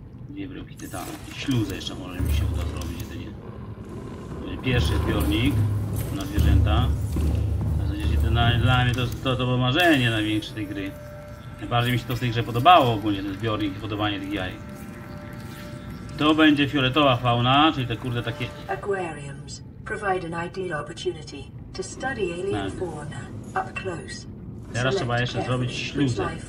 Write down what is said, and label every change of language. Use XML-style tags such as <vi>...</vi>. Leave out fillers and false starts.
<pl>Dwie bryłki tytanu. Śluzę jeszcze może mi się uda zrobić jedynie. Pierwszy zbiornik na zwierzęta. Dla mnie to było marzenie największe tej gry. Najbardziej mi się to w tej grze podobało ogólnie, ten zbiornik i hodowanie tych jaj. To będzie fioletowa fauna, czyli te kurde takie...</pl> <en>Aquariums provide an ideal opportunity to study alien fauna up close.</en> <pl>Teraz trzeba jeszcze zrobić śluzę.</pl>